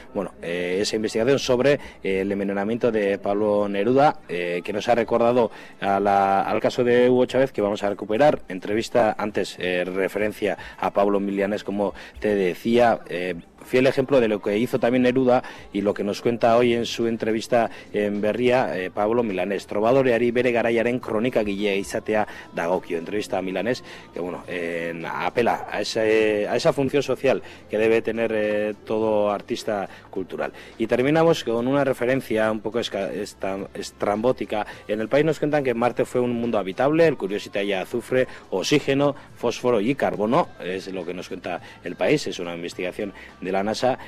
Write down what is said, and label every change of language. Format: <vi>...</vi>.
<es>Bueno, esa investigación sobre el envenenamiento de Pablo Neruda, que nos ha recordado al caso de Hugo Chávez, que vamos a recuperar, entrevista antes. Referencia a Pablo Milanés, como te decía, fiel ejemplo de lo que hizo también Neruda y lo que nos cuenta hoy en su entrevista en Berria, Pablo Milanés.</es> <eu>Trobadoreari bere garaiaren kronika gile izatea dagokio.</eu> <es>Entrevista a Milanés, que bueno, apela a esa función social que debe tener todo artista cultural. Y terminamos con una referencia un poco estrambótica. En El País nos cuentan que Marte fue un mundo habitable, el Curiosity halla azufre, oxígeno, fósforo y carbono, es lo que nos cuenta El País, es una investigación de la NASA.</es>